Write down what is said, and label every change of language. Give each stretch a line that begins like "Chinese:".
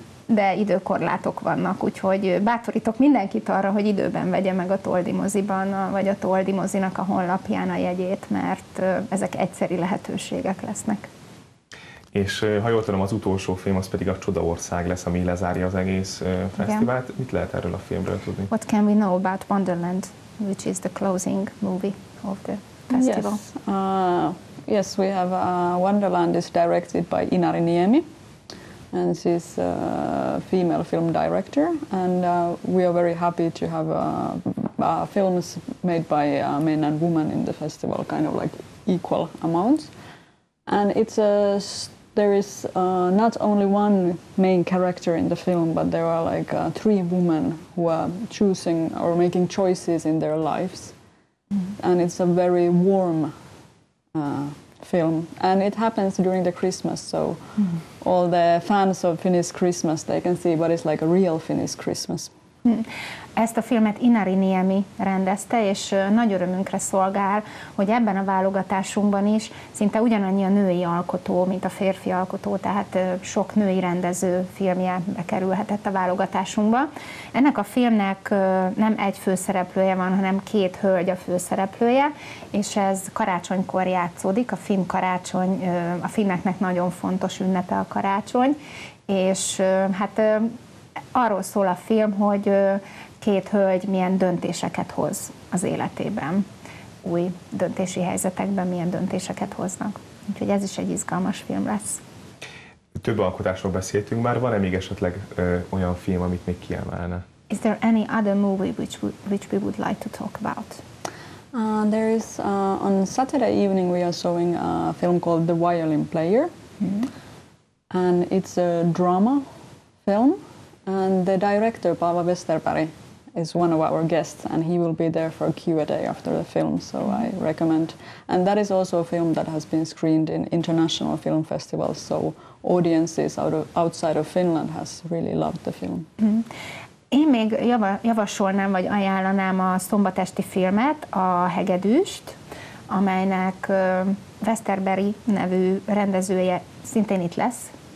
Hungarian: de időkorlátok vannak, úgyhogy bátorítok mindenkit arra, hogy időben vegye meg a Toldi moziban, vagy a Toldi mozinak a honlapján a jegyét, mert ezek egyszeri lehetőségek lesznek. És ha jól tudom, az utolsó film az pedig a Csodaország lesz, ami lezárja az egész fesztivált. Igen. Mit lehet erről a filmről tudni?
English: What can we know about Wonderland, which is the closing movie of the festival? Yes, we have Wonderland is directed by Inari Niemi, and she's a female film director, and we are very happy to have films made by men and women in the festival, kind of like equal amounts. And it's a there is not only one main character in the film, but there are like three women who are choosing or making choices in their lives, and it's a very warm film, and it happens during the Christmas, so all the fans of Finnish Christmas, they can see what is like a real Finnish Christmas.
Hungarian: Ezt a filmet Inari Niemi rendezte, és nagy örömünkre szolgál, hogy ebben a válogatásunkban is szinte ugyanannyi a női alkotó, mint a férfi alkotó, tehát sok női rendező filmje bekerülhetett a válogatásunkba. Ennek a filmnek nem egy főszereplője van, hanem két hölgy a főszereplője, és ez karácsonykor játszódik, a finn karácsony, a finneknek nagyon fontos ünnepe a karácsony, és hát arról szól a film, hogy két hölgy milyen döntéseket hoz az életében, új döntési helyzetekben milyen döntéseket hoznak. Úgyhogy ez is egy izgalmas film lesz. Több alkotásról beszéltünk már, van-e még esetleg olyan film, amit még kiemelne?
English: Is there any other movie which we would like to talk about? There is, on Saturday evening we are showing a film called The Violin Player. Mm-hmm. And it's a drama film. And the director, Paavo Westerberg, is one of our guests, and he will be there for Q&A after the film, so I recommend. And that is also a film that has been screened in international film festivals, so audiences outside of Finland has really loved the film.
Hungarian: Én még javasolnám, vagy ajánlanám a szombatesti filmet, a Hegedűst, amelynek Westerberg nevű rendezője szintén itt lesz.